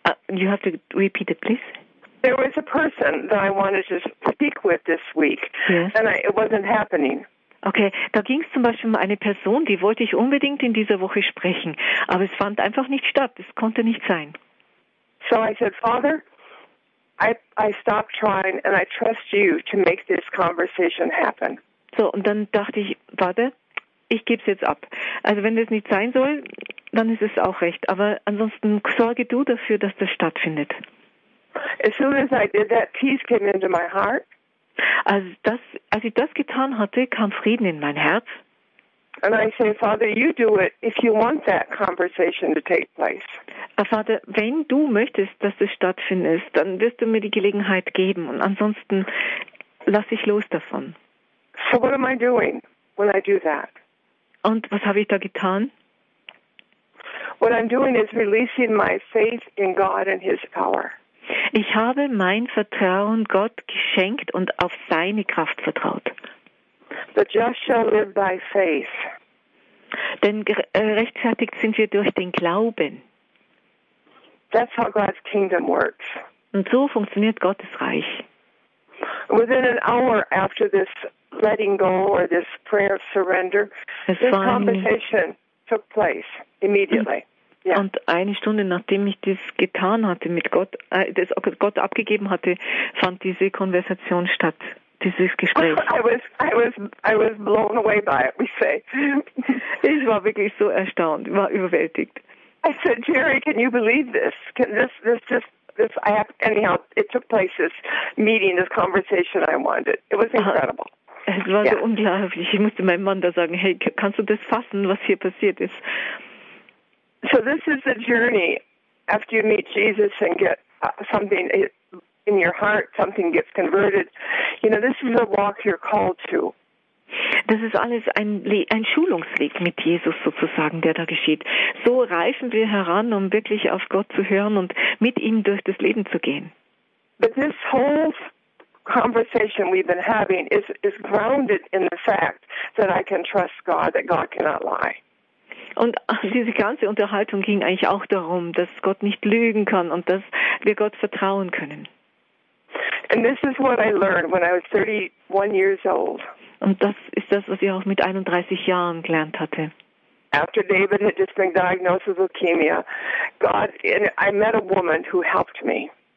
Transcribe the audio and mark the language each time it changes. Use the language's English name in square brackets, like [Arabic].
[English] You have to repeat it, please. There was a person that I wanted to speak with this week, yes. And it wasn't happening. [German] Okay, da ging es zum Beispiel um eine Person, die wollte ich unbedingt in dieser Woche sprechen, aber es fand einfach nicht statt. Es konnte nicht sein. [English] So I said, Father, I stopped trying and I trust you to make this conversation happen. [German] So, und dann dachte ich, Vater, ich gebe es jetzt ab. Also wenn das nicht sein soll, dann ist es auch recht. Aber ansonsten sorge du dafür, dass das stattfindet. [English] As soon as I did that, peace came into my heart. [German] Also das, als ich das getan hatte, kam Frieden in mein Herz. [English] And I say, Father, you do it if you want that conversation to take place. [German] Vater, wenn du möchtest, dass es stattfindet, dann wirst du mir die Gelegenheit geben. Und ansonsten lasse ich los davon. [English] So what am I doing when I do that? [German] Und was habe ich da getan? [English] What I'm doing is releasing my faith in God and His power. [German] Ich habe mein Vertrauen Gott geschenkt und auf seine Kraft vertraut. [English] The just shall live by faith. [German] Denn gerechtfertigt sind wir durch den Glauben. [English] That's how God's kingdom works. [German] Und so funktioniert Gottes Reich. [English] Within an hour after this letting go or this prayer of surrender, this conversation took place immediately. Yeah. [German] Und eine Stunde nachdem ich das getan hatte mit Gott, das Gott abgegeben hatte, fand diese Konversation statt. Dieses Gespräch. [English] I was blown away by it, we say. [German] Ich war wirklich so erstaunt, war überwältigt. [English] I said, Jerry, can you believe this? Can this I have, anyhow, it took place, this meeting, this conversation I wanted. It was incredible. [German] Es war so unglaublich. Ich musste meinem Mann da sagen, hey, kannst du das fassen, was hier passiert ist? [English] So this is the journey after you meet Jesus and get something in your heart, something gets converted. You know, this is a walk you're called to. [German] Das ist alles ein Schulungsweg mit Jesus sozusagen, der da geschieht. So reifen wir heran, um wirklich auf Gott zu hören und mit ihm durch das Leben zu gehen. [English] But this whole conversation we've been having is grounded in the fact that I can trust God, that God cannot lie. [German] Und diese ganze Unterhaltung ging eigentlich auch darum, dass Gott nicht lügen kann und dass wir Gott vertrauen können. [English] And this is what I learned when I was 31 years old. [German] Und das ist das, was ich auch mit 31 Jahren gelernt hatte. [English] After David had just been diagnosed with leukemia, God, and I met a woman who helped me.